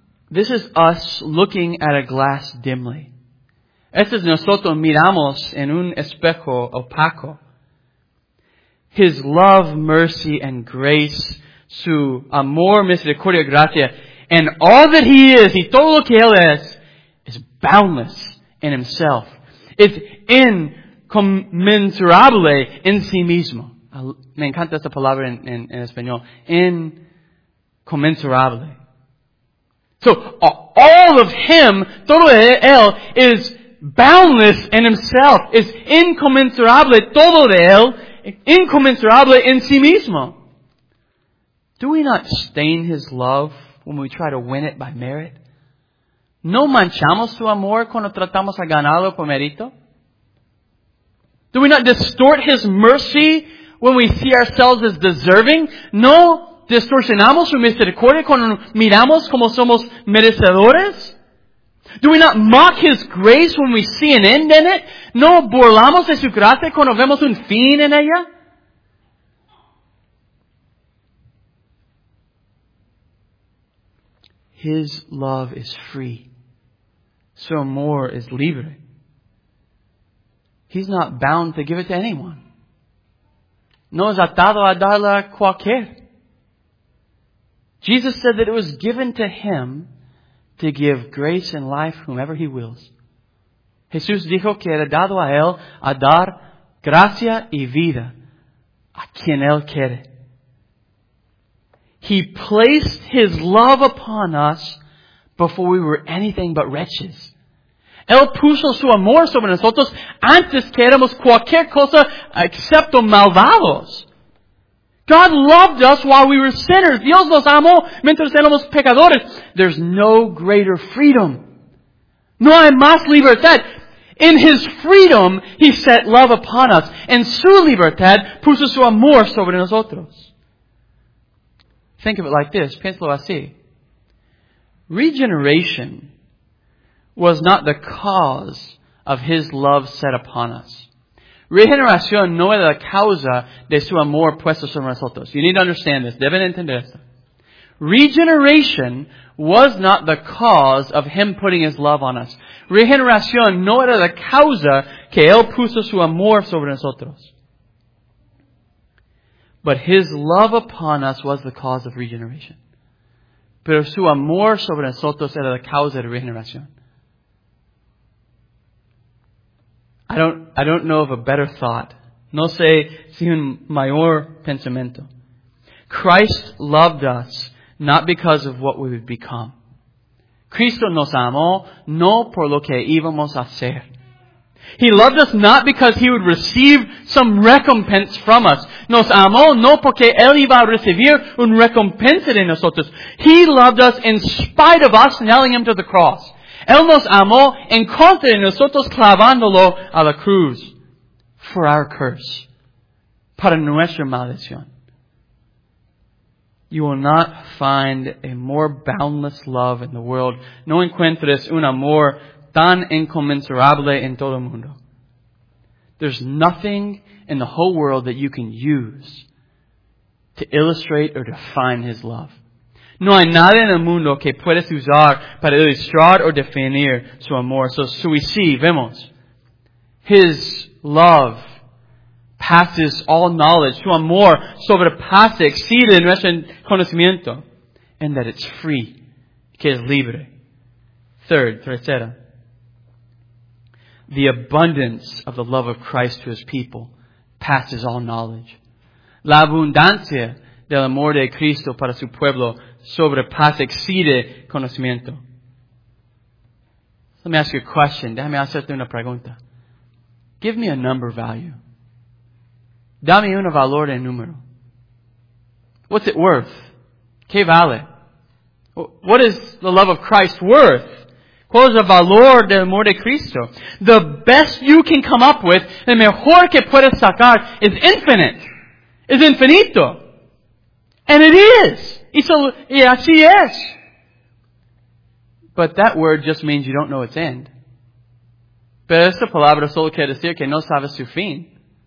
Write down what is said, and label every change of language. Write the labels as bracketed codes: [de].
[en] This is us looking at a glass dimly. [es] Este es nosotros miramos en un espejo opaco. [en] His love, mercy, and grace, [es] su amor, misericordia, gracia, [en] and all that He is, [es] y todo lo que Él [en] is boundless in Himself. It's incommensurable [es] en sí mismo. Me encanta esta palabra en español. Incommensurable. [en] So, all of Him, [es] todo de Él, [en] is boundless in Himself. [es] Is incommensurable, todo de Él, incommensurable en sí mismo. [en] Do we not stain His love when we try to win it by merit? [es] ¿No manchamos su amor cuando tratamos a ganarlo por mérito? [en] Do we not distort His mercy when we see ourselves as deserving? [es] ¿No distorsionamos su misericordia cuando miramos como somos merecedores? [en] Do we not mock His grace when we see an end in it? [es] ¿No burlamos de su gracia cuando vemos un fin en ella? [en] His love is free. [es] Su amor es libre. [en] He's not bound to give it to anyone. [es] No es atado a darla a cualquier. [en] Jesus said that it was given to Him to give grace and life whomever He wills. [es] Jesús dijo que era dado a Él a dar gracia y vida a quien Él quiere. [en] He placed His love upon us before we were anything but wretches. [es] Él puso su amor sobre nosotros antes que éramos cualquier cosa excepto malvados. [en] God loved us while we were sinners. [es] Dios nos amó mientras éramos pecadores. [en] There's no greater freedom. [es] No hay más libertad. [en] In His freedom, He set love upon us. [es] En su libertad, puso su amor sobre nosotros. [en] Think of it like this. [es] Piénsalo así. [en] Regeneration was not the cause of His love set upon us. [es] Regeneración no era la causa de su amor puesto sobre nosotros. [en] You need to understand this. [es] Deben entender esto. [en] Regeneration was not the cause of Him putting His love on us. [es] Regeneración no era la causa que Él puso su amor sobre nosotros. [en] But His love upon us was the cause of regeneration. [es] Pero su amor sobre nosotros era la causa de regeneración. [en] I don't know of a better thought. [es] No sé si un mayor pensamiento. [en] Christ loved us not because of what we would become. [es] Cristo nos amó no por lo que íbamos a ser. [en] He loved us not because He would receive some recompense from us. [es] Nos amó no porque Él iba a recibir un recompensa de nosotros. [en] He loved us in spite of us nailing Him to the cross. [es] Él nos amó en contra de nosotros clavándolo a la cruz. [en] For our curse. [es] Para nuestra maldición. [en] You will not find a more boundless love in the world. [es] No encuentres un amor tan incommensurable en todo el mundo. [en] There's nothing in the whole world that you can use to illustrate or define His love. [es] No hay nada en el mundo que puedes usar para ilustrar o definir su amor. [en] So we see, [es] vemos. [en] His love passes all knowledge. [es] Su amor sobrepasa, exceede nuestro conocimiento. [en] And that it's free. [es] Que es libre. Tercera. [en] The abundance of the love of Christ to His people passes all knowledge. [es] La abundancia del amor de Cristo para su pueblo sobrepasa, exceede conocimiento. [en] Let me ask you a question. [es] Déjame hacerte una pregunta. [en] Give me a number value. [es] Dame un valor en número. [en] What's it worth? [es] ¿Qué vale? [en] What is the love of Christ worth? [es] ¿Cuál es el valor del amor de Cristo? [en] The best you can come up with, [es] el mejor que puedes sacar, [en] is infinite. [es] Es infinito. [en] And it is. [es] Y así es. [en] But that word just means you don't know its end. [es] Pero esta palabra solo quiere decir que no sabes su fin.